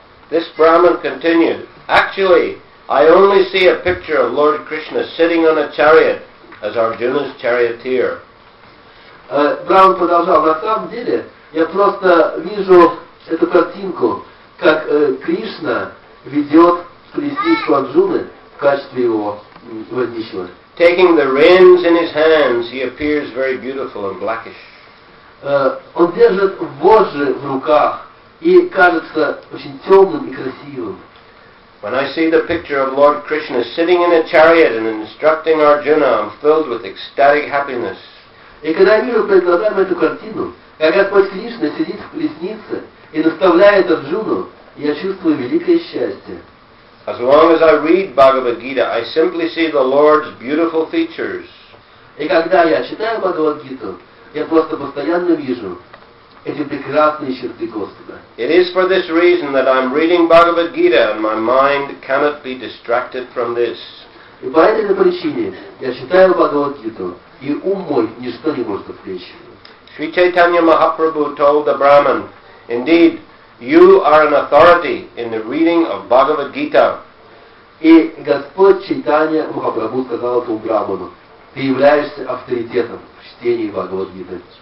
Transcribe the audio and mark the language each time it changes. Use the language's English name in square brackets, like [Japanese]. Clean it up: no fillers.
[English] This Brahman continued, actually, I only see a picture of Lord Krishna sitting on a chariot as Arjuna's charioteer. [Russian] Браман продолжал, на самом деле, я просто вижу эту картинку, как Кришна ведет колесницу Арджуны в качестве его водителя. [English] Taking the reins in his hands, he appears very beautiful and blackish. [Russian] Он держит вожжи в руках и кажется очень темным и красивым. [English] When I see the picture of Lord Krishna sitting in a chariot and instructing Arjuna, I'm filled with ecstatic happiness. [Russian] И когда я вижу перед глазами эту картину, как Господь Кришна сидит в колеснице и наставляет Арджуну, я чувствую великое счастье. [English] As long as I read Bhagavad Gita, I simply see the Lord's beautiful features. [Russian] И когда я читаю Бхагавад Гиту, я просто постоянно вижу эти прекрасные черты Господа. [English] It is for this reason that I'm reading Bhagavad Gita, and my mind cannot be distracted from this. [Russian] И по этой причине я читаю Бхагавад Гиту, и ум мой ничто не может отвлечь. [English] Шри Чайтанья Махапрабху told the Brahman, indeed, you are an authority in the reading of Bhagavad Gita. [Russian] И Господь Чайтанья Махапрабху сказал этому Браману, ты являешься авторитетом в чтении Бхагавад Гиты.